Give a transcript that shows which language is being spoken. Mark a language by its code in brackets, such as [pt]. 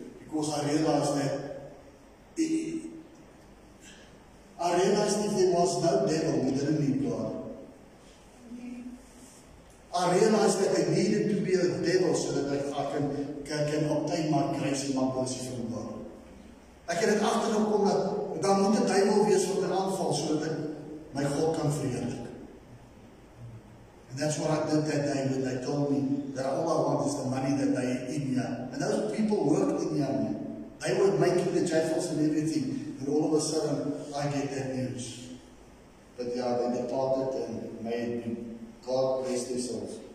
[en] Because I realized if there was no devil, we didn't need God. I realized that there needed to be a devil so that I can obtain my grace and my mercy from God. [af] Ek het dit agtergekom dat daar moet 'n duiwel wees wat 'n aanval so dat my God kan verheerlik. [en] And that's what I did that day when they told me that all I want is the money that they are in here. And those people worked in here, man. They were making the jaffles and everything. And all of a sudden, I get that news. But yeah, they departed and may it be. God bless themselves.